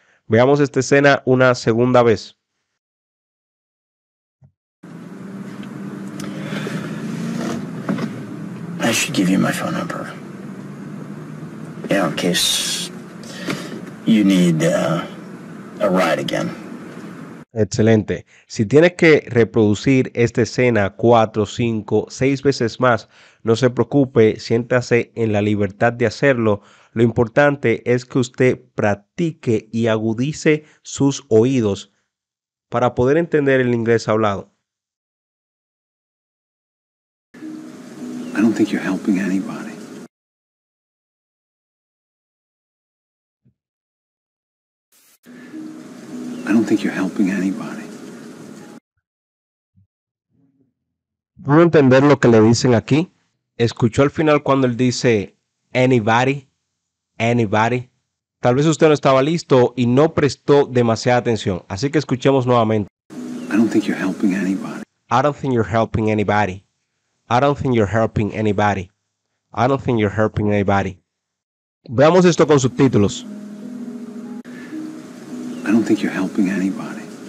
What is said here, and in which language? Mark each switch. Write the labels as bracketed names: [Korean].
[Spanish] Veamos esta escena una segunda vez. [English] I should give you my phone number. You know, in case you need a ride again. [Spanish] Excelente. Si tienes que reproducir esta escena 4, 5, 6 veces más, no se preocupe, siéntase en la libertad de hacerlo. Lo importante es que usted practique y agudice sus oídos para poder entender el inglés hablado. [English] I don't think you're helping anybody. I don't think you're helping anybody. [Spanish] ¿Puedo entender lo que le dicen aquí? ¿Escuchó al final cuando él dice anybody? Anybody? Tal vez usted no estaba listo y no prestó demasiada atención. Así que escuchemos nuevamente. [English] I don't think you're helping anybody. I don't think you're helping anybody. I don't think you're helping anybody. I don't think you're helping anybody. [Spanish] Veamos esto con subtítulos. [English] I don't think you're helping anybody.